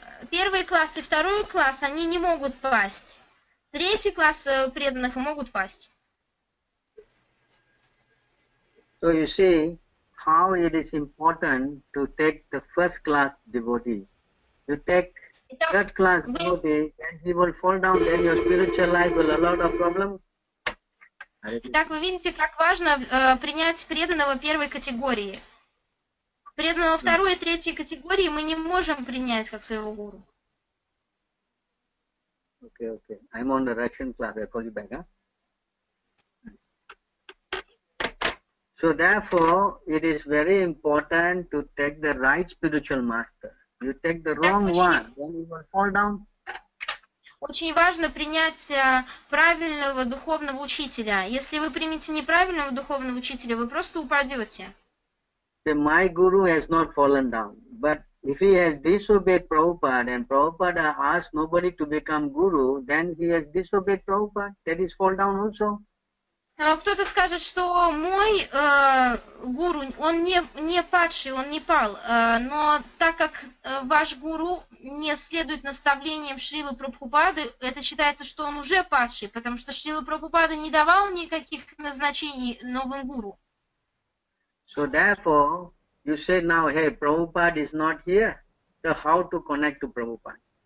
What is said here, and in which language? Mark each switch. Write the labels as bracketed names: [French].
[Russian] Первый класс и второй класс, они не могут пасть. Третий класс преданных могут пасть. [English] So you see how it is important to take the first class devotee. You take third class devotee, and he will fall down, then your spiritual life will a lot of problems. [Russian] Итак, вы видите, как важно принять преданного первой категории. Преданного второй и третьей категории мы не можем принять как своего гуру. [English] Okay, okay. I'm on the Russian class. I'll call you back, huh? So therefore, it is very important to take the right spiritual master. You take the wrong one, then you will fall down. [Russian] Очень важно принять правильного духовного учителя. Если вы примете неправильного духовного учителя, вы просто упадете. [English] My guru has not fallen down. But if he has disobeyed Prabhupada, and Prabhupada asked nobody to become guru, then he has disobeyed Prabhupada. That is fall down also. [Russian] Кто-то скажет, что мой гуру, он не падший, он не пал, но так как ваш гуру не следует наставлениям Шрилы Прабхупады, это считается, что он уже падший, потому что Шрила Прабхупада не давал никаких назначений новым гуру. [English] So therefore, you say now, hey, Prabhupada is not here, so how to connect to Prabhupada?